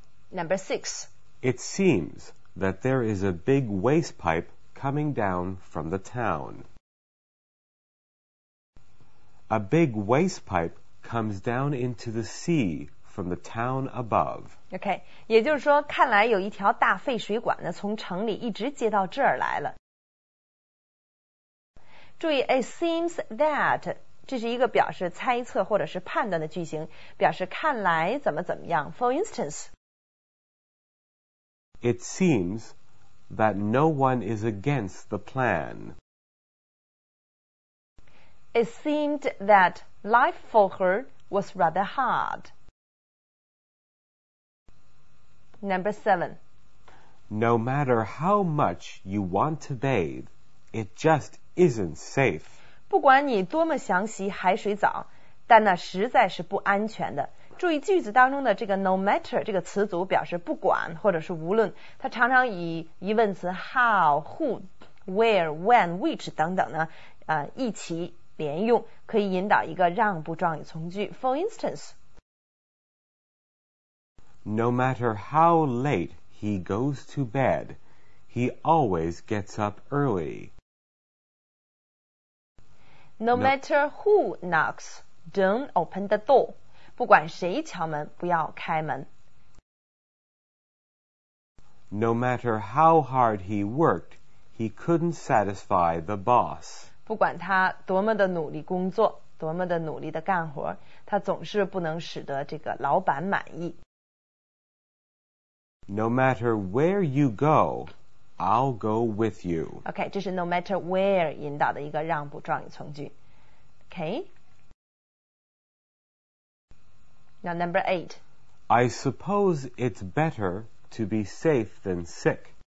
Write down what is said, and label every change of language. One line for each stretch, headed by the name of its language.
English: Number six. It seems that there is a big waste pipe coming down from the town. A big waste pipe comes down into the sea from the town above.
Chinese: Okay, 也就是说看来有一条大废水管呢从城里一直接到这儿来了。注意
English: it seems that...
Chinese: 这是一个表示猜测或者是判断的句型，表示看来怎么怎么样。
English: For instance, It seems that no one is against the plan. It seemed that life for her was rather hard. Number seven. No matter how much you want to bathe, it just isn't safe.
Chinese: 不管你多么想洗海水澡，但那实在是不安全的。注意句子当中的这个
English: no matter
Chinese: 这个词组表示不管或者是无论，它常常以疑问词 how、who、where、when、which 等等呢，一起连用，可以引导一个让步状语从句。
English: For instance, No matter how late he goes to bed, he always gets up early. No matter who knocks, don't open the door.
Chinese: 不管谁敲门，不要开门。
English: No matter how hard he worked, he couldn't satisfy the boss.
Chinese: 不管他多么的努力工作，多么的努力的干活，他总是不能使得这个老板满意。
English: No matter where you go,I'll go with you.
Chinese: OK, 这是
English: no matter where
Chinese: 引导的一个让步状语从句。OK?
English: Now, number eight. I suppose it's better to be safe than sick.